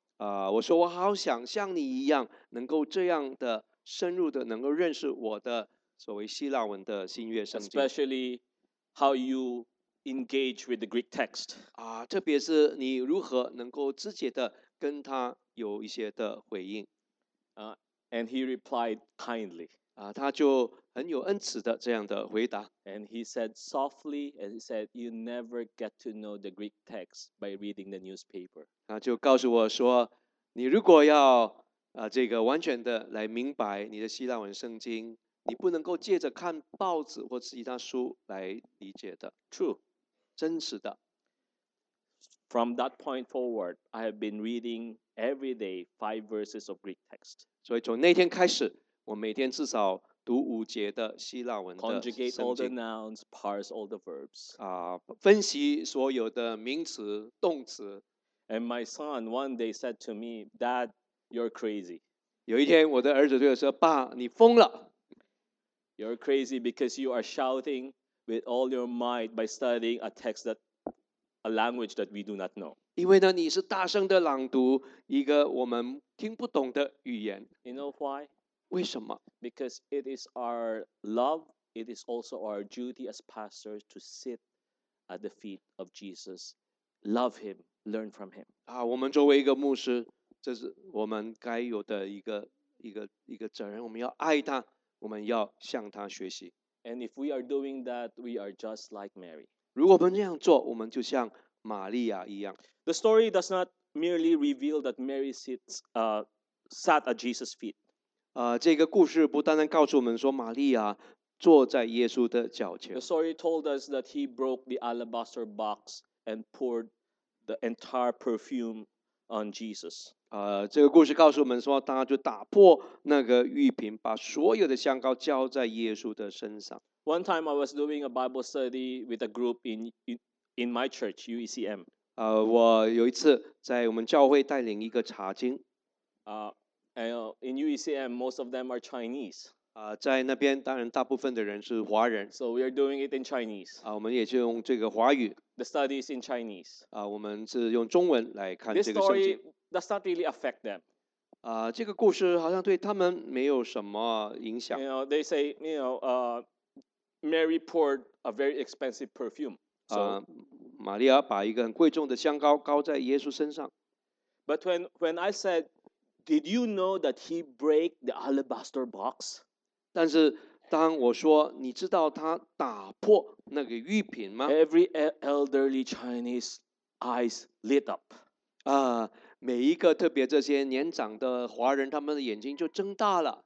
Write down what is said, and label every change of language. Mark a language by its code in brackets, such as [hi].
[zh] 我说我好想像你一样，能够这样的深入的能够认识我的所谓希腊文的新约圣经。 [en] Especially how you engage with the Greek text。 [zh] 特别是你如何能够直接的跟他有一些的回应。 [en] And he replied kindly。 [zh] 他就很有恩慈的这样的回答。 [en] And he said softly, and he said, "You never get to know the Greek text by reading the newspaper." [zh] 他就告诉我说，你如果要这个完全的来明白你的希腊文圣经，你不能够借着看报纸或其他书来理解的。 [en] True, [zh] 真实的。 [en] From that point forward, I have been reading every day 5 verses of Greek text. [zh] 所以从那天开始。我每天至少读五节的希腊文的圣经。 [en] Conjugate all the nouns, parse all the verbs. [zh] 分析所有的名词、动词。 [en] And my son one day said to me, "Dad, you're crazy." [zh] 有一天，我的儿子对我说：“爸，你疯了。 [en] ”You're crazy because you are shouting with all your might by studying a text that a language that we do not know. [zh] 因为呢，你是大声的朗读一个我们听不懂的语言。 [en] You know why? [zh] 为什么 [en] ？Because it is our love. It is also our duty as pastors to sit at the feet of Jesus, love Him, learn from Him. [zh] 啊，我们作为一个牧师，这是我们该有的一个责任。我们要爱他，我们要向他学习。 [en] And if we are doing that, we are just like Mary. [zh] 如果我们这样做，我们就像玛利亚一样。 [en] The story does not merely reveal that Mary sat at Jesus' feet. [zh] 这个故事不单单告诉我们说玛利亚坐在耶稣的脚前。 [en] The story told us that he broke the alabaster box and poured the entire perfume on Jesus. [zh] 这个故事告诉我们说他就打破那个浴瓶把所有的香膏浇在耶稣的身上。 [en] One time I was doing a Bible study with a group in my church, UECM. [zh] 我有一次在我们教会带领一个查经。 [en] In UECM, most of them are Chinese. [zh] 在那边当然大部分的人是华人。 [en] So we are doing it in Chinese. [zh] 我们也就用这个华语。 [en] The study is in Chinese. [zh] 我们是用中文来看这个圣经。 [en] This story does not really affect them. [zh] 这个故事好像对他们没有什么影响。 [en] You know, they say, you know, Mary poured a very expensive perfume. So, [zh] 玛利亚把一个很贵重的香膏膏在耶稣身上。 [en] But when I said, "Did you know that he break the alabaster box?" [zh] 但是当我说，你知道他打破那个玉瓶吗 [en] ？Every elderly Chinese eyes lit up. [zh] 每一个特别这些年长的华人，他们的眼睛就睁大了。